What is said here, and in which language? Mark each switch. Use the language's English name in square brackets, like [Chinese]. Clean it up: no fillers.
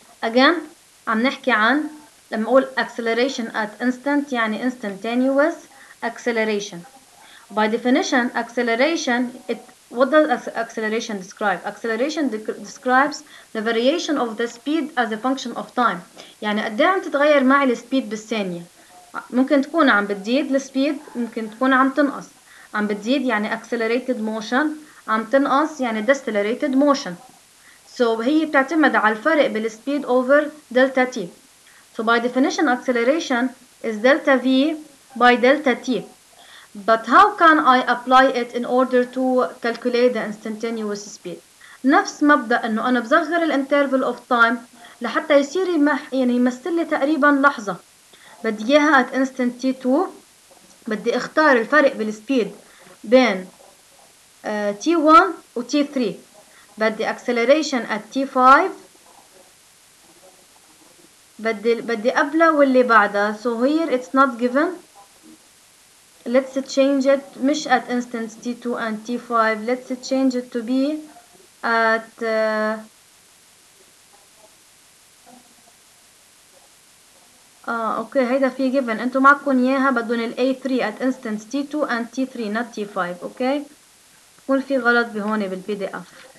[Arabic] Again, عم نحكي عن لما أقول [English] acceleration at instant [Arabic] يعني [English] instantaneous acceleration. By definition, acceleration, what does acceleration describe? Acceleration describes the variation of the speed as a function of time. [Arabic] يعني قديه عم تتغير معي السبيد بالثانية. ممكن تكون عم بتزيد السبيد، ممكن تكون عم تنقص. عم بتزيد يعني [English] accelerated motion، [Arabic] عم تنقص يعني [English] decelerated motion. [Arabic] So So هي بتعتمد على الفرق بال [English] speed over delta t. So by definition acceleration is delta v by delta t. But how can I apply it in order to calculate the instantaneous speed? [Arabic] نفس مبدأ انه انا بصغر ال [English] interval of time [Arabic] لحتى يصير يعني يمثل لي تقريبا لحظة. بدي اياها [English] at instant t2. [Arabic] بدي اختار الفرق بال speed بين t1 و t3. بدي [English] acceleration at t5. [Arabic] بدي قبله واللي بعده. [English] So here it's not given. Let's change it. [Arabic] مش [English] at instant t2 and t5. Let's change it to be at [Arabic] اوكي هيدا في [English] given. [Arabic] انتو معكم اياها بدون ال [English] a3 at instant t2 and t3 not t5. [Arabic] اوكي بكون في غلط بهون بالبي دي اف.